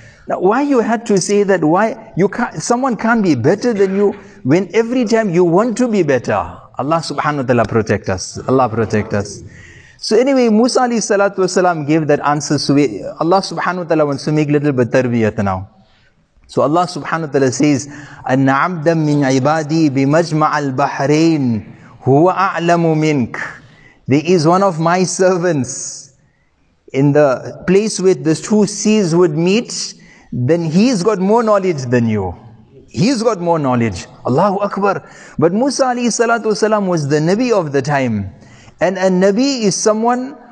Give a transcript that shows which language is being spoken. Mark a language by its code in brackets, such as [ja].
[en] Now, why you had to say that? Why you can't, someone can't be better than you when every time you want to be better? Allah subhanahu wa ta'ala protect us. Allah protect us. So anyway, Musa alayhi salatu wasalam gave that answer. So Allah subhanahu wa ta'ala wants to make little bit tarbiyat now. So Allah subhanahu wa ta'ala says, [ar] أَنَّ عَبْدًا مِّنْ عِبَادِي بِمَجْمَعَ الْبَحْرَيْنِ هُوَ أَعْلَمُ مِنْكَ. [en] There is one of my servants in the place where the two seas would meet, then he's got more knowledge than you. He's got more knowledge. Allahu Akbar. But Musa alayhi salatu wasalam was the Nabi of the time. And a Nabi is someone